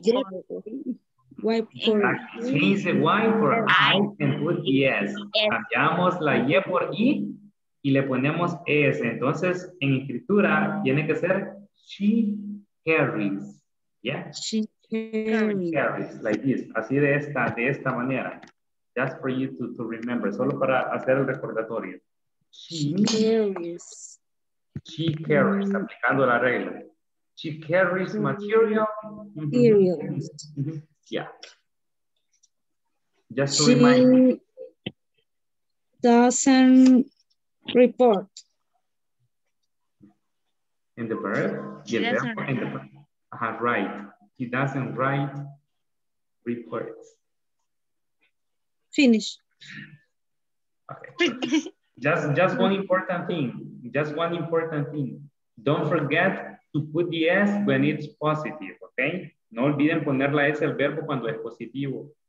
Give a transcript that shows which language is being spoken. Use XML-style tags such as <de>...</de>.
<en>Change the Y for I and put ES.</en> <es>Cambiamos la Y por I y le ponemos ES. Entonces, en escritura, tiene que ser</es> <en>she carries. Yeah. She carries, like this,</en> <es>así de esta manera.</es> <en>Just for you to remember,</en> <es>solo para hacer el recordatorio.</es> <en>She carries,</en> <es>aplicando la regla.</es> <en>She carries material. Materials. Mm-hmm. Yeah. Just to she remind you. Doesn't report. In the verb? Yeah, in the verb. Right. He doesn't write reports. Finish. Okay. Just one important thing. Just one important thing. Don't forget to put the S when it's positive, okay?</en> <es>No olviden poner la S al verbo cuando es positivo.</es>